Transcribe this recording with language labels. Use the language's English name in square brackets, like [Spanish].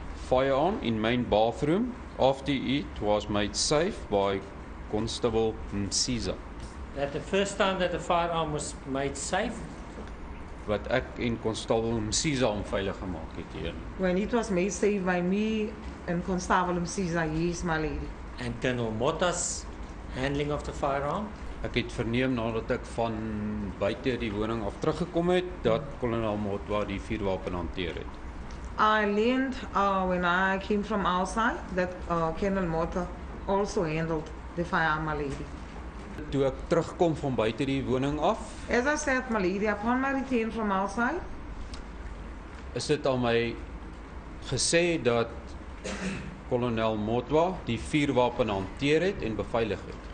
[English] Firearm in main bathroom, after it was made safe by Constable Mziza. That the first time that the firearm was made safe? [Afrikaans] Wat ek en Constable Mziza onveilig gemaak het hier. [English] When it was made safe by me and Constable Mziza, yes, my lady. And Colonel Mota's handling of the firearm? [Afrikaans] Ek het verneem nadat ek van buite die woning af teruggekom het, dat Colonel Mota die vuurwapen hanteer het. [English] I learned when I came from outside that Colonel Mota also handled the firearm, my lady. [Afrikaans] Toe ek terugkom van buite die woning af. [English] As I said, my lady, upon my return from outside. [Afrikaans] Is dit aan my gesê dat Colonel Mota die vuurwapen hanteer het en beveilig het?